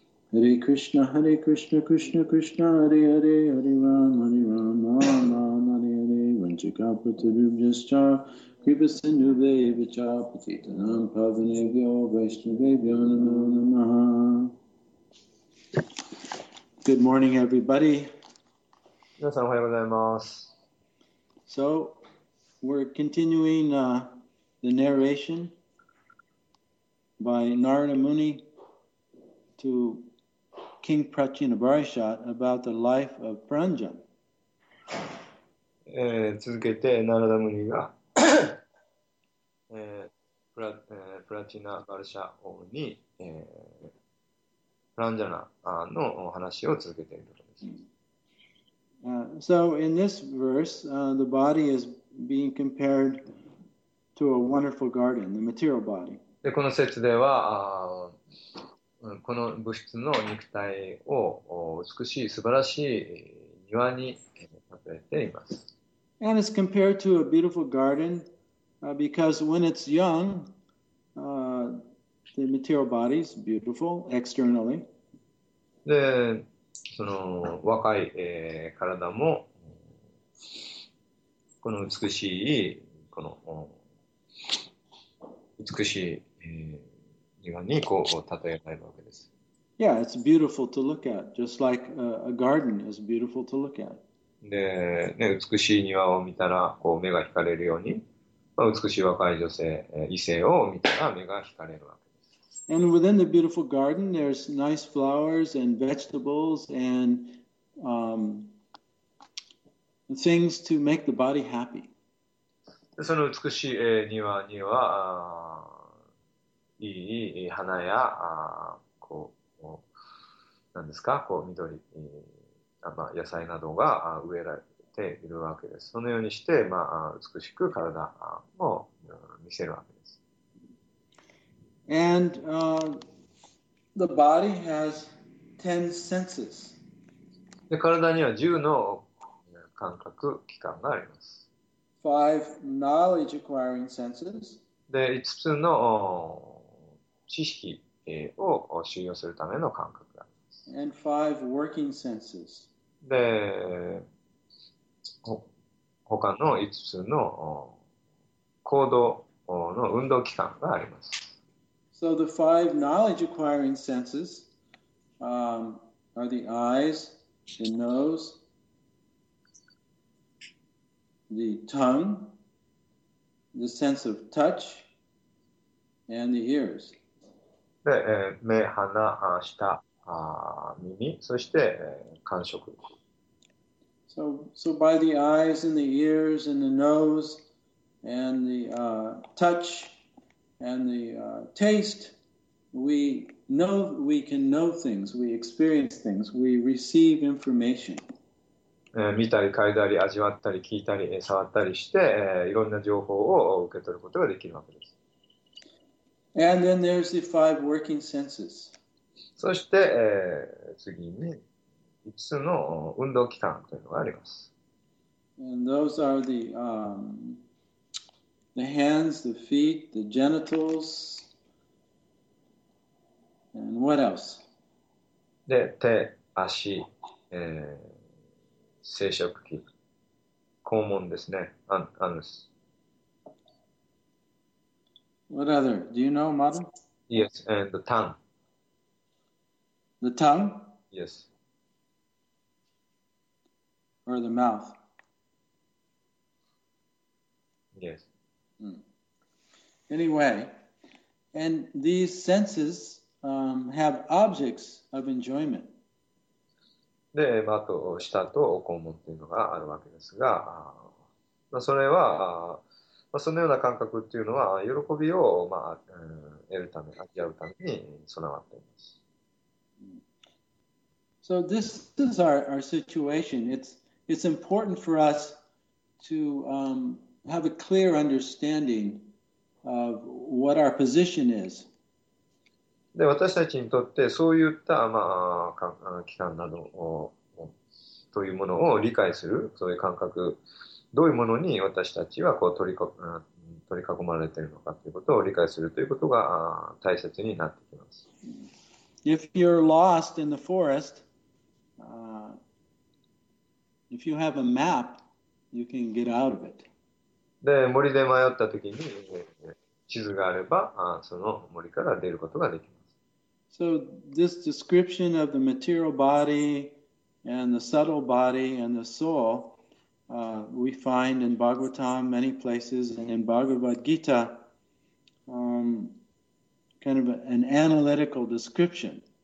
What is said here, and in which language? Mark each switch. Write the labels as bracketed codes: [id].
[sa] Hare Krishna Hare Krishna Krishna Krishna Hare Hare Hare Rama Hare Rama Rama Rama Hare HareKripa Sindhu Devi Cha Patita Nam Pavane Vyo Vaishnu Devi Namo Namaha. [en] Good morning, everybody. [ja] 皆さんおはようございます。 [en] So, we're continuing the narration by Narada Muni to King Prachina Barishat about the life of Paranjan. [ja] 続けてナラダムニが プラチナバルシャ王に、プランジャナの話を続けているところです。 [en] So in this verse, the body is being compared to a wonderful garden, the material body. [ja] で、この説では、この物質の肉体を美しい素晴らしい庭に例えています。 [en] And it's compared to a beautiful garden, because when it's young, the material body is beautiful externally. [ja] で、その若い、体もこの美しいこの美しい庭にこう例えられるわけです。 [en] Yeah, it's beautiful to look at, just like a garden is beautiful to look at. [ja] で、ね、美しい庭を見たらこう目が惹かれるように、まあ、美しい若い女性、異性を見たら目が惹かれるわけです。 [en] And within the beautiful garden, there's nice flowers and vegetables and things to make the body happy. [ja] その美しい、庭には、いい花や、こう、何ですか、こう、緑、まあ、野菜などが植えられているわけです。そのようにして、まあ、美しく体を見せるわけです。 [en] And, the body has 10 senses. [ja] で、体には10の感覚器官があります。 [en] 5 knowledge acquiring senses. [ja] で、5つの知識を収容するための感覚があります。 [en] And 5 working senses. [ja] で、他の5つの行動の運動器官があります。 [en] So the 5 knowledge acquiring senses, are the eyes, the nose,the tongue, the sense of touch, and the ears. [ja] で、目、鼻、舌、耳、そして、感触。 [en] So by the eyes and the ears and the nose and the touch and the taste, we know, we can know things, we experience things, we receive information. [ja] 見たり嗅いだり味わったり聞いたり触ったりして、いろんな情報を受け取ることができるわけです。 [en] And then there's the five working senses. [ja] そして、次に5つの運動器官というのがあります。 [en] And those are the, the hands, the feet, the genitals, and what else? [ja] で、手、足、生殖器、肛門ですね、アヌス。 [en] What other? Do you know, mother? Yes, and the tongue. The tongue? Yes. Or the mouth? Yes. Anyway, and these senses, have objects of enjoyment. [ja] で、あと、舌と肛門っていうのがあるわけですが、まあ、それは、まあ、そのような感覚っていうのは、喜びを、まあ、得るため、味わうために備わっています。 [en] So this is our situation. It's important for us to, have a clear understanding of what our position is. [ja] で、私たちにとってそういった、まあ、機関などというものを理解する、そういう感覚、どういうものに私たちはこう取り囲まれているのかということを理解するということが大切になってきます。 [en] If you're lost in the forest, if you have a map, you can get out of it. [ja] で、森で迷ったときに地図があれば、その森から出ることができます。 [en] So this description of the material body and the subtle body and the soul, we find in Bhagavatam many places and in Bhagavad Gita, kind of an analytical description.